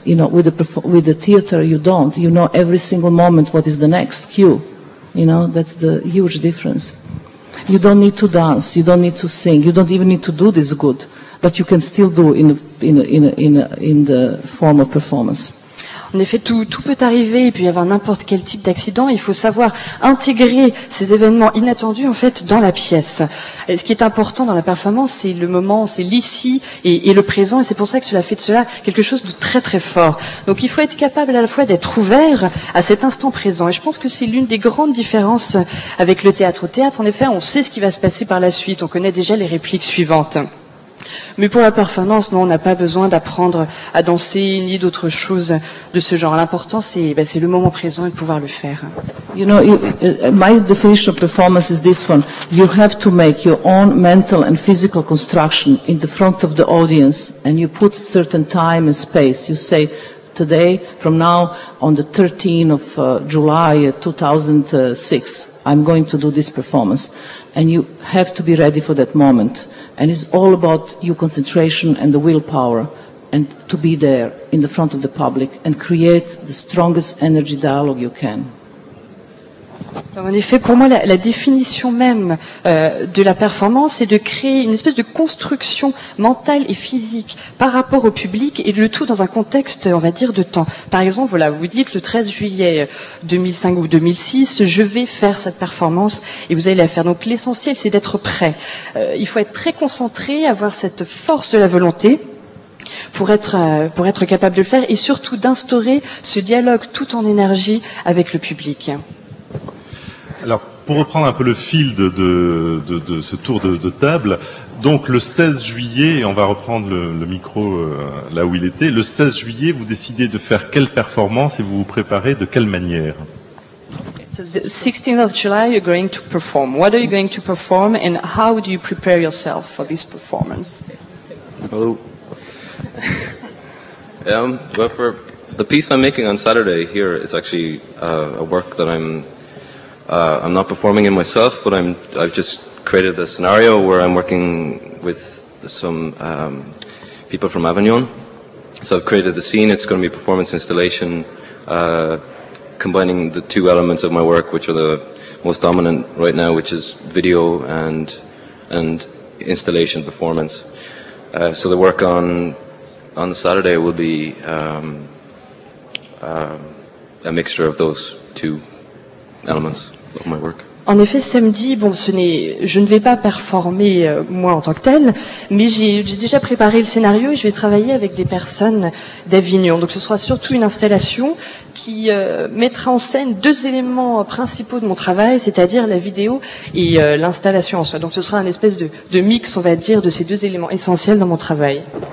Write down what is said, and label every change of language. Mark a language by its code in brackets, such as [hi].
[en] You know, with the theater, you don't. You know, every single moment, what is the next cue? You know, that's the huge difference. You don't need to dance. You don't need to sing. You don't even need to do this good, but you can still do in the form of performance. [fr] En effet, tout peut arriver. Il peut y avoir n'importe quel type d'accident. Il faut savoir intégrer ces événements inattendus, en fait, dans la pièce. Et ce qui est important dans la performance, c'est le moment, c'est l'ici et le présent. Et c'est pour ça que cela fait de cela quelque chose de très, très fort. Donc, il faut être capable à la fois d'être ouvert à cet instant présent. Et je pense que c'est l'une des grandes différences avec le théâtre. Au théâtre, en effet, on sait ce qui va se passer par la suite. On connaît déjà les répliques suivantes. Mais pour la performance, non, on n'a pas besoin d'apprendre à danser ni d'autre chose de ce genre. L'important, c'est le moment présent et de pouvoir le faire. [en] You know, my definition of performance is this one. You have to make your own mental and physical construction in the front of the audience, and you put a certain time and space. You say, today, from now, on the 13th of July 2006, I'm going to do this performance. And you have to be ready for that moment. And it's all about your concentration and the willpower and to be there in the front of the public and create the strongest energy dialogue you can. [fr] Donc, en effet, pour moi, la définition même de la performance, c'est de créer une espèce de construction mentale et physique par rapport au public et le tout dans un contexte, on va dire, de temps. Par exemple, voilà, vous dites le 13 juillet 2005 ou 2006, je vais faire cette performance et vous allez la faire. Donc l'essentiel, c'est d'être prêt. Il faut être très concentré, avoir cette force de la volonté pour être capable de le faire et surtout d'instaurer ce dialogue tout en énergie avec le public. Alors, pour reprendre un peu le fil de ce tour de table, donc le 16 juillet, et on va reprendre le micro là où il était, le 16 juillet, vous décidez de faire quelle performance et vous vous préparez de quelle manière? [en] So the 16th of July, you're going to perform. What are you going to perform and how do you prepare yourself for this performance? Hello. well, for the piece I'm making on Saturday here, it's actually a work that I'm not performing it myself, but I've just created a scenario where I'm working with some people from Avignon. So I've created the scene. It's going to be a performance installation combining the two elements of my work, which are the most dominant right now, which is video and installation performance. So the work on Saturday will be a mixture of those two elements. My work. [fr] En effet, samedi, bon, je ne vais pas performer moi en tant que telle, mais j'ai déjà préparé le scénario et je vais travailler avec des personnes d'Avignon. Donc ce sera surtout une installation qui mettra en scène deux éléments principaux de mon travail, c'est-à-dire la vidéo et l'installation en soi. Donc ce sera une espèce de mix, on va dire, de ces deux éléments essentiels dans mon travail.